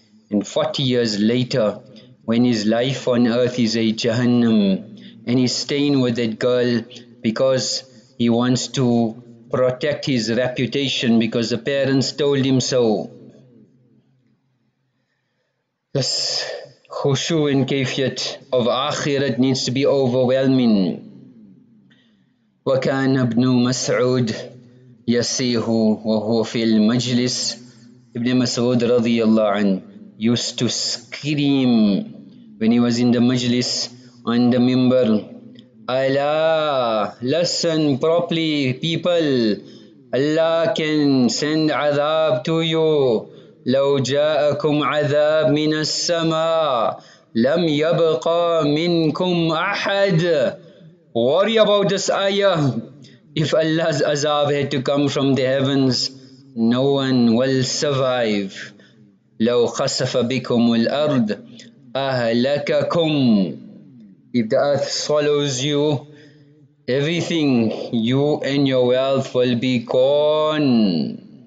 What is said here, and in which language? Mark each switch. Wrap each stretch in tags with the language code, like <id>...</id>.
<en>And 40 years later, when his life on earth is a Jahannam, and he's staying with that girl because he wants to protect his reputation, because the parents told him so. This khushu and kayfiyat of akhirat needs to be overwhelming.</en> <ar>وكان ابن مسعود يسيه وهو في المجلس.</ar> <en>Ibn Mas'ud</en> <ar>رضي الله عنه</ar> <en>used to scream when he was in the majlis on the minbar. Allah, listen properly, people. Allah can send azab to you.</en> <ar>لو جاءكم عذاب من السماء لم يبقى منكم أحد.</ar> <en>Worry about this ayah. If Allah's azab had to come from the heavens, no one will survive.</en> <ar>لو خسف بكم الأرض أهلككم.</ar> <en>If the earth swallows you, everything, you and your wealth will be gone.</en>